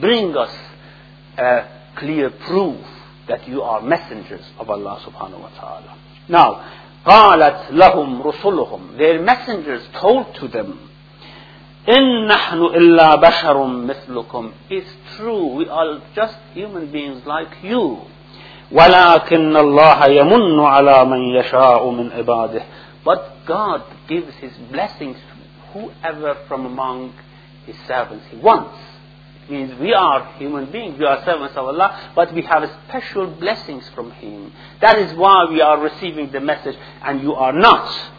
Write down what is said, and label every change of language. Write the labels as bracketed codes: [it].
[en] Bring us a clear proof that you are messengers of Allah subhanahu wa ta'ala. Now, [ar] قالت لهم رسلهم, [en] their messengers told to them, [ar] إن نحن إلا بشر مثلكم. [en] It's true, we are just human beings like you. [ar] ولكن الله يمن على من يشاء من عباده. [en] But God gives His blessings to whoever from among His servants He wants. It means we are human beings, we are servants of Allah, but we have special blessings from Him. That is why we are receiving the message, and you are not.